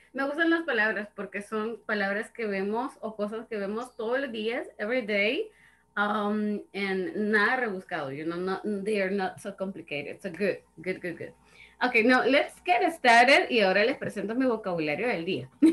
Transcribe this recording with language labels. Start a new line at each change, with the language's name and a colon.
Spanish: Me gustan las palabras porque son palabras que vemos o cosas que vemos todos los días,
English: every day. And
Spanish: nada rebuscado,
English: you know, they are not so complicated. So good, good, good, good. Okay, now let's get started.
Spanish: Y ahora les presento mi vocabulario del día.